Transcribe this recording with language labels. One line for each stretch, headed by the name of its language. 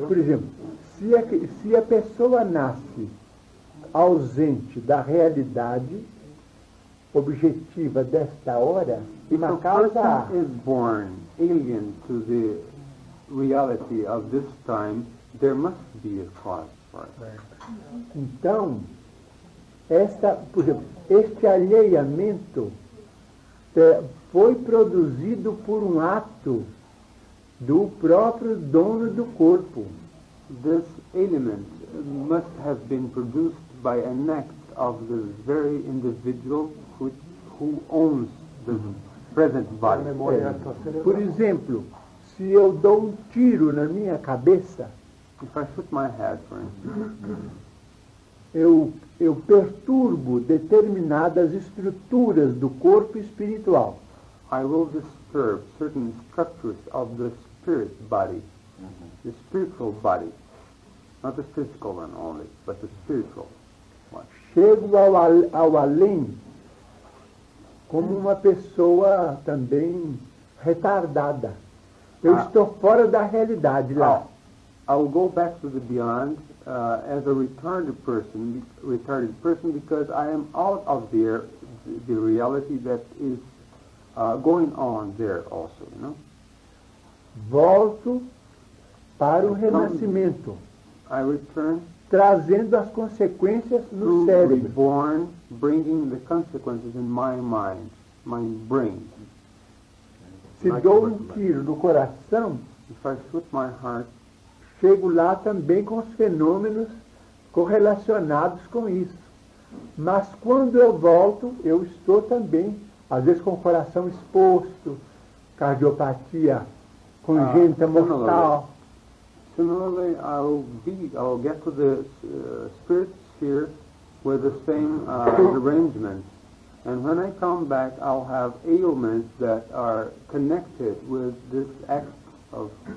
Portuguese: Por exemplo, se a pessoa nasce ausente da realidade objetiva desta hora, uma causa há.
English: Is born alien to the reality of this time, there must be a cause for it.
Portuguese: Então, por exemplo, este alheiamento foi produzido por um ato do próprio dono do corpo.
English: This element must have been produced by an act of the very individual who owns the present body.
Portuguese: Por exemplo, se eu dou um tiro na minha cabeça,
English: if I shoot my head, for instance,
Portuguese: eu perturbo determinadas estruturas do corpo espiritual.
English: I will disturb certain structures of the spirit body, the spiritual body, not the physical one only, but the spiritual one.
Portuguese: Chego ao além como uma pessoa também retardada. Eu estou fora da realidade lá.
English: I will go back to the beyond as a retarded person, because I am out of the reality that is going on there also, you know?
Portuguese: Volto para o renascimento.
English: I return.
Portuguese: Trazendo as consequências no cérebro.
English: Reborn, bringing the consequences in my mind, my brain.
Portuguese: Se dou um tiro no coração,
English: if I shoot my heart,
Portuguese: chego lá também com os fenômenos correlacionados com isso. Mas quando eu volto, eu estou também, às vezes com o coração exposto, cardiopatia congênita mortal.
English: Similarly, I'll get to the spirit sphere with the same arrangement. And when I come back, I'll have ailments that are connected with this act of...